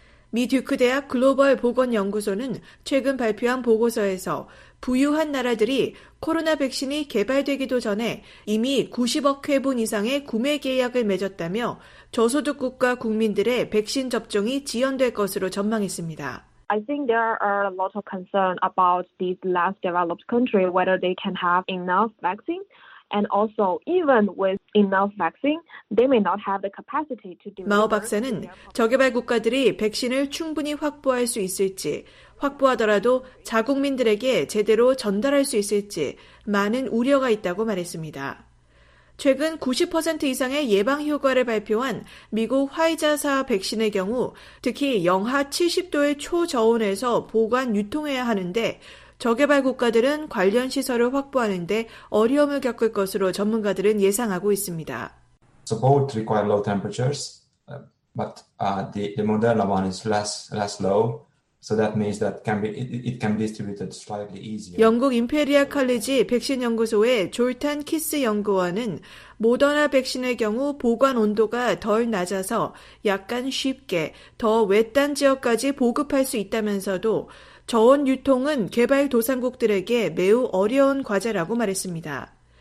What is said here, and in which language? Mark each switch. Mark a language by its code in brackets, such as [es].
[ko] 미 듀크 대학 글로벌 보건연구소는 최근 발표한 보고서에서 부유한 나라들이 코로나 백신이 개발되기도 전에 이미 90억 회분 이상의 구매 계약을 맺었다며 저소득 국가 국민들의 백신 접종이 지연될 것으로 전망했습니다. [en] I think there are a lot of concern about these less developed countries whether they can have enough vaccine. And also, even with enough vaccine, they may not have the capacity to deliver. [ko] 마오 박사는 저개발 국가들이 백신을 충분히 확보할 수 있을지, 확보하더라도 자국민들에게 제대로 전달할 수 있을지 많은 우려가 있다고 말했습니다. 최근 90% 이상의 예방 효과를 발표한 미국 화이자사 백신의 경우 특히 영하 70도의 초저온에서 보관 유통해야 하는데 저개발 국가들은 관련 시설을 확보하는 데 어려움을 겪을 것으로 전문가들은 예상하고 있습니다. [en] So both require low temperatures, but the Moderna one is less low. So that means that it can be distributed slightly easier. [ko] 영국 임페리얼 칼리지 백신 연구소의 졸탄 키스 연구원은 모더나 백신의 경우 보관 온도가 덜 낮아서 약간 쉽게 더 외딴 지역까지 보급할 수 있다면서도 저온 유통은 개발 도상국들에게 매우 어려운 과제라고 말했습니다.